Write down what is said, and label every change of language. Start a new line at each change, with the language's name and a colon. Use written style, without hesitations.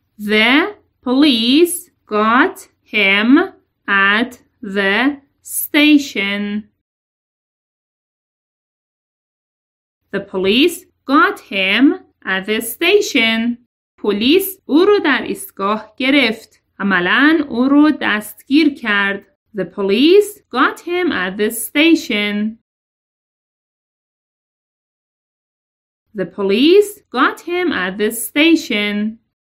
English: The police got him at the station. The police got him at the station.
Persian: پلیس او رو در ایستگاه گرفت. عملاً او رو دستگیر کرد.
English: The police got him at the station. The police got him at the station.